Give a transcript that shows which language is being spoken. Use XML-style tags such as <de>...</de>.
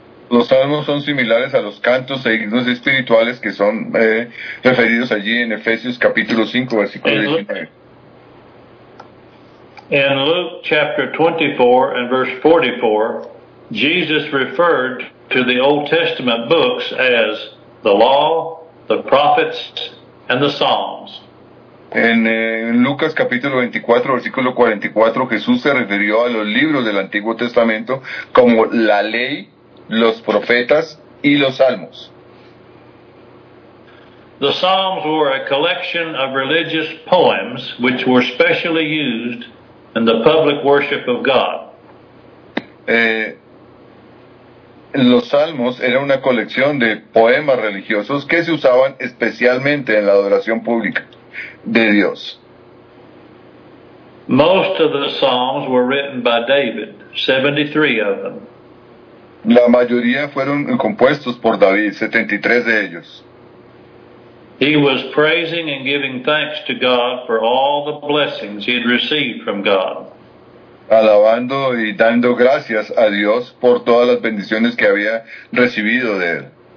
<es>Los salmos son similares a los cantos e himnos espirituales que son referidos allí en Efesios capítulo 5, versículo 19.</es> <en>In Luke chapter 24 and verse 44, Jesus referred to the Old Testament books as the Law, the Prophets, and the Psalms.</en> <es>En Lucas capítulo 24, versículo 44, Jesús se refirió a los libros del Antiguo Testamento como la ley, los profetas y los salmos.</es> <en>The Psalms were a collection of religious poems which were specially used in the public worship of God.</en> <es>Los salmos era una colección de poemas religiosos que se usaban especialmente en la adoración pública de Dios.</es> <en>Most of the Psalms were written by David, 73 of them.</en> <es>La mayoría fueron compuestos por David, 73 de ellos.</es> <en>He was praising and giving thanks to God for all the blessings he had received from God.</en> <es>Alabando y dando gracias a Dios por todas las bendiciones que había recibido de él.</es>